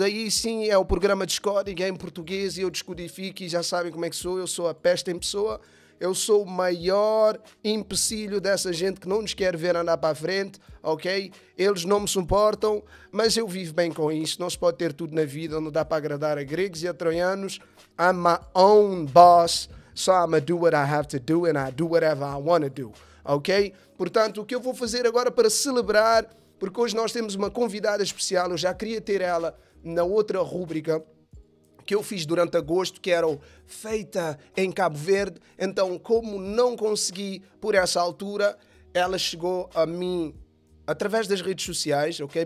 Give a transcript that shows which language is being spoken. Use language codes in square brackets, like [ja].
[pt] Aí sim é o programa Discord, é em português e eu descodifico e já sabem como é que sou. Eu sou a peste em pessoa. Eu sou o maior empecilho dessa gente que não nos quer ver andar para a frente, ok? Eles não me suportam, mas eu vivo bem com isso. Não se pode ter tudo na vida, não dá para agradar a gregos e a troianos. [en] I'm my own boss, so I'ma do what I have to do and I do whatever I wanna do, ok? [pt] Portanto, o que eu vou fazer agora para celebrar, porque hoje nós temos uma convidada especial, eu já queria ter ela na outra rúbrica que eu fiz durante agosto, que era o Feita em Cabo Verde. Então, como não consegui por essa altura, ela chegou a mim através das redes sociais, ok?